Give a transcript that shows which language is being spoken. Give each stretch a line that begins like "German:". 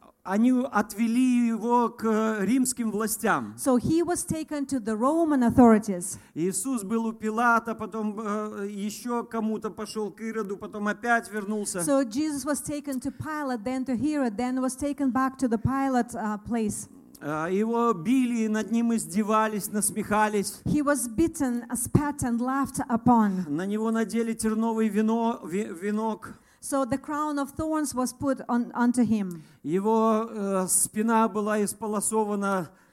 Russian: Они отвели его к римским властям.
English: So he was taken to the Roman authorities.
Russian: Иисус был у Пилата, потом еще кому-то, пошел к Ироду, потом опять вернулся.
English: So Jesus was taken to Pilate, then to Herod, then was taken back to the Pilate place.
Russian: Его били, над ним издевались, насмехались.
English: He was beaten, spat, and laughed upon.
Russian: На него надели терновый венок.
English: So the crown of thorns was put on onto him.
Russian: Его спина была исполосована.